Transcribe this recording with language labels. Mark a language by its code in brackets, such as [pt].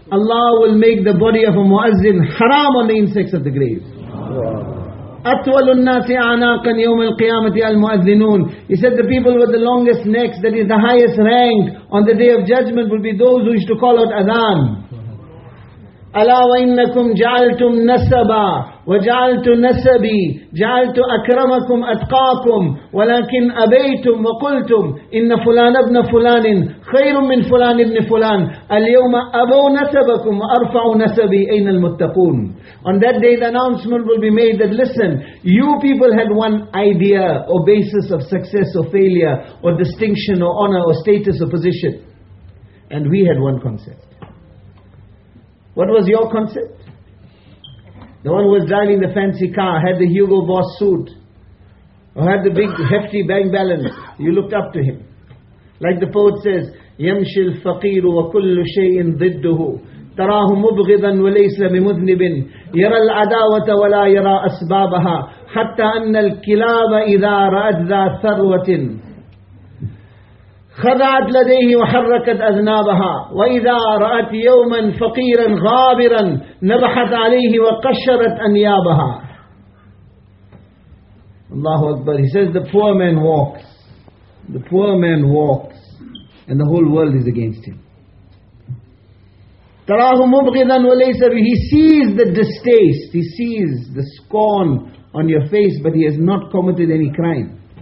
[en] Allah will make the body of a muazzin haram on the insects of the grave. [ar] أَطْوَلُ النَّاسِ أَعْنَاقًا يَوْمِ الْقِيَامَةِ الْمُؤَذِّنُونَ. [en] He said, the people with the longest necks, that is the highest rank on the day of judgment, will be those who used to call out adhan. [ar] ألا وإنكم جعلتم نسبا وجعلت نسبي جعلت أكرمكم أتقاكم ولكن أبيتم وقلتم إن فلان ابن فلان خير من فلان ابن فلان اليوم أبو نسبكم وأرفع نسبي أين المتقون. [en] On that day the announcement will be made that listen, you people had one idea or basis of success or failure or distinction or honor or status or position, and we had one concept. What was your concept? The one who was driving the fancy car, had the Hugo Boss suit, or had the big hefty bank balance, you looked up to him. Like the poet says, [ar] يَمْشِي الْفَقِيرُ وَكُلُّ شَيْءٍ ضِدُّهُ تَرَاهُ مُبْغِضًا وَلَيْسَ بِمُذْنِبٍ يَرَى الْعَدَاوَةَ وَلَا يَرَى أَسْبَابَهَا حَتَّى أَنَّ الْكِلَابَ إِذَا رَأَتْ ذَا ثَرْوَةٍ خضعت لديه وحركت أذنابها وإذا رأت يوما فقيرا غابرا نبحت عليه وقشرت أنيابها. الله أكبر. [en] He says the poor man walks. The poor man walks and the whole world is against him. [ar] تراه مبغضا وليس به. [en] He sees the distaste. He sees the scorn on your face, but he has not committed any crime.